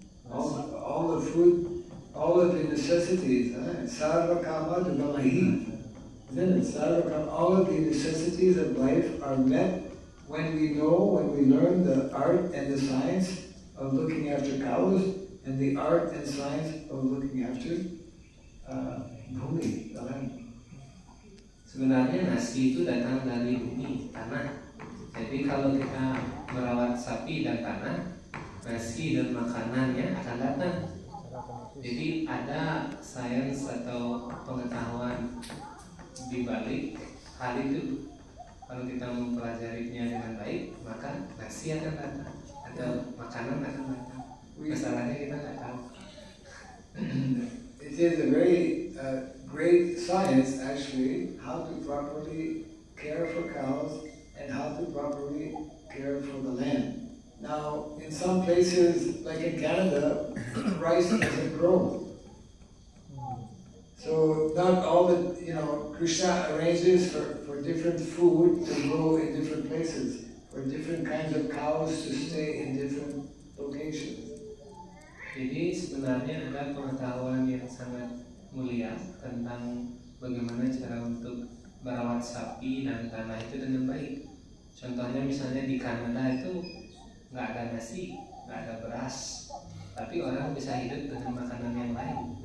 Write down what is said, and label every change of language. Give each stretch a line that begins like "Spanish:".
English: All the food, all of the necessities, all of the necessities of life are met when we know, when we learn the art and the science of looking after cows, and the art and science of looking after bumi, the land.
Indonesian: Sebenarnya nasi itu datang dari bumi, tanah. Jadi kalau kita merawat sapi dan tanah, nasi dan makanannya akan datang. Jadi ada sains atau pengetahuan di balik hal itu. Kalau kita mempelajarinya dengan baik, maka nasi akan datang atau makanan akan datang. Masalahnya kita nggak tahu.
English: It is a very great science, actually, how to properly care for cows and how to properly care for the land. Now, in some places, like in Canada, rice doesn't grow. So not all the, you know, Krishna arranges for different food to grow in different places, for different kinds of cows to stay in different locations.
Indonesian: Jadi sebenarnya ada pengetahuan yang sangat mulia tentang bagaimana cara untuk merawat sapi dan tanah itu dengan baik. Contohnya misalnya di Kanada itu nggak ada nasi, nggak ada beras, tapi orang bisa hidup dengan makanan yang lain.